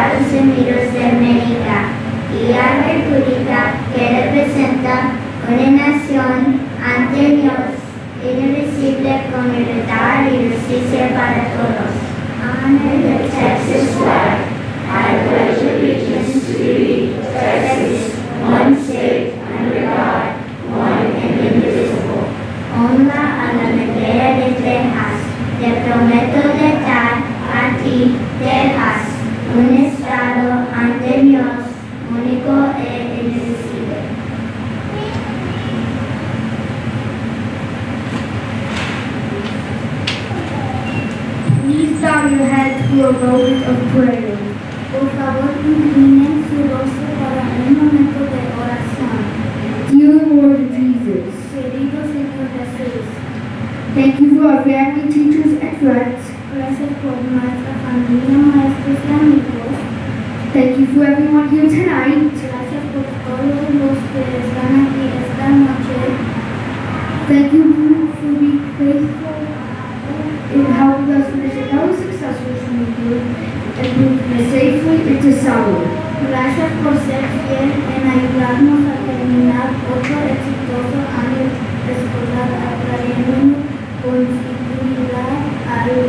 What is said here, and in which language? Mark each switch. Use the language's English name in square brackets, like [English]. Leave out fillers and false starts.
[Spanish] Unidos de América y la República que representa una nación ante Dios indivisible con libertad y justicia para todos. [English] Amen. The Texas flag, I pledge allegiance to the Texas, one state under God, one and indivisible. [Spanish] Honra a la bandera de Texas, te prometo de dar a ti, Texas, un estado ante Dios único e indivisible. [English] Please bow your head to a moment of prayer. [Spanish] Por favor, inclinen su rostro para un momento de oración. [English] Dear Lord Jesus, [Spanish] querido Señor Jesús, [English] thank you for our family, teachers, and friends. [Spanish] Gracias por nuestra familia, maestros y amigos. [English] Thank you for everyone here tonight. [Spanish] Gracias por todos los que están aquí esta noche. [English] Thank you for being faithful in helping us finish a very successful meeting and moving safely into summer. [Spanish] Gracias por ser fiel en ayudarnos a terminar otro exitoso año escolar atrayendo con dignidad al